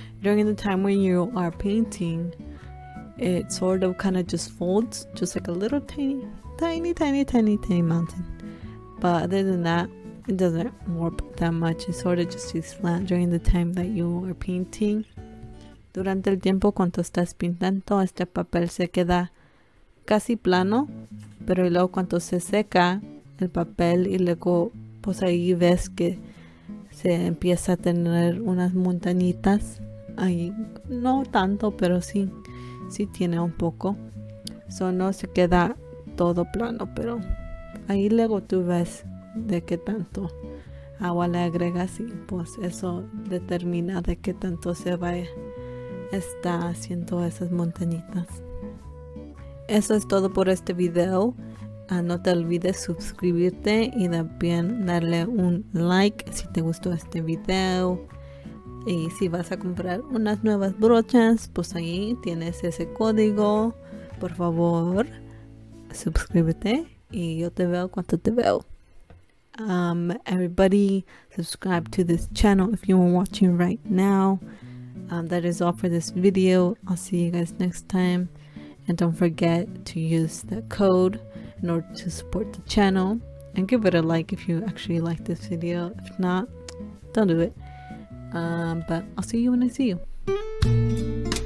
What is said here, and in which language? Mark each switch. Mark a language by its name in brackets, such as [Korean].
[English] During the time when you are painting, it sort of kind of just folds, just like a little tiny mountain. But other than that, it doesn't warp that much. It sort of just is flat during the time that you are painting. [Spanish] Durante el tiempo cuando estás pintando, este papel se queda casi plano, pero luego cuando se seca el papel y luego pues ahí ves que se empieza a tener unas montañitas ahí, no tanto, pero sí tiene un poco. So no se queda todo plano, pero ahí luego tú ves de qué tanto agua le agregas y pues eso determina de qué tanto se va a estar haciendo esas montañitas. Eso es todo por este video. No te olvides suscribirte y también darle un like si te gustó este video. Y si vas a comprar unas nuevas brochas, pues ahí tienes ese código. Por favor, suscríbete y yo te veo cuando te veo. [English] Everybody, subscribe to this channel if you are watching right now. That is all for this video. I'll see you guys next time. And don't forget to use the code in order to support the channel. And give it a like if you actually like this video. If not, don't do it. But I'll see you when I see you.